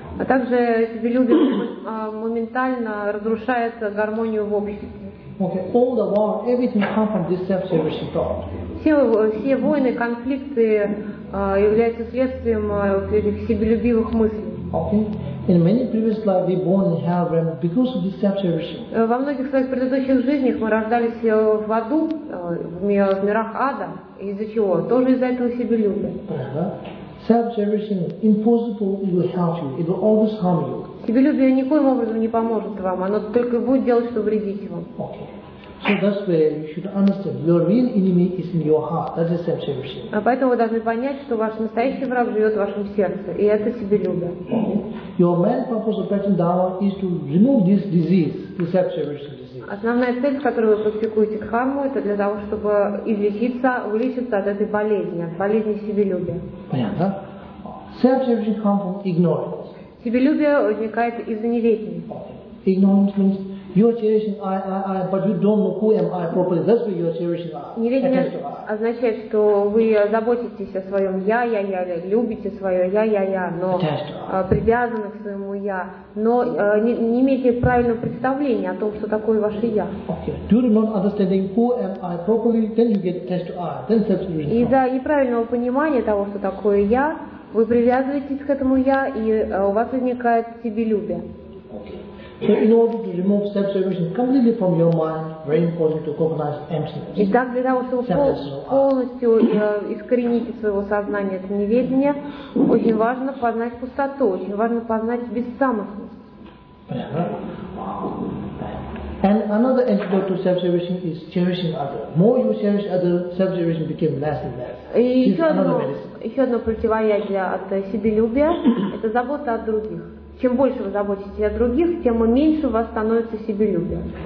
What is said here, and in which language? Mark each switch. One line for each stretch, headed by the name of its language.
Russian: А также себелюбие моментально разрушает гармонию в обществе.
English: Okay, all the war, everything comes from this self-cherishing thought.
Russian: Все войны, конфликты являются следствием этих себелюбивых мыслей.
English: Okay, in many previous lives we born in hell realm because of this self-cherishing.
Russian: Во многих своих предыдущих жизнях мы рождались в аду, в мирах ада. Из-за чего? Тоже из-за этого себелюбия.
English: Self-cherishing, impossible, it will help you. It will always harm you.
Russian: Себелюбие никоим образом не поможет вам. Оно только будет делать, что вредить вам.
English: Okay. So that's where you should understand. Your real enemy is in your heart. That is self-cherishing.
Russian: Поэтому вы должны понять, что ваш настоящий враг живет в вашем сердце, и это себелюбие.
English: Your main purpose of practicing Dharma is to remove this disease, the self-cherishing disease.
Russian: Основная цель, с которой вы практикуете дхарму, это для того, чтобы вылечиться от этой болезни, от болезни себелюбия. Понятно?
English: Self-cherishing comes from ignorance.
Russian: Себелюбие возникает из-за неведения.
English: Ignorance means you are cherishing I, but you don't know who am I properly. That's why you are cherishing I.
Russian: Неведение означает, что вы заботитесь о своем я, любите свое я, но привязаны к своему я, но не имеете правильного представления о том, что такое ваше я.
English: Okay. Due to not understanding who am I properly, then you get attached to I, then self-cherishing.
Russian: Из-за неправильного понимания того, что такое я, вы привязываетесь к этому я, и у вас возникает себелюбие.
English: Okay. So in order to remove self-separation completely from your mind, very important to recognize emptiness.
Russian: И так для того, чтобы полностью искоренить из своего сознания это неведение, очень важно познать пустоту, очень важно познать бессамость.
English: And another antidote to self-separation is cherishing others. More you cherish others, self-separation became less and less.
Russian: И еще одно противоядие от себелюбия – это забота о других. Чем больше вы заботитесь о других, тем меньше у вас становится себелюбие.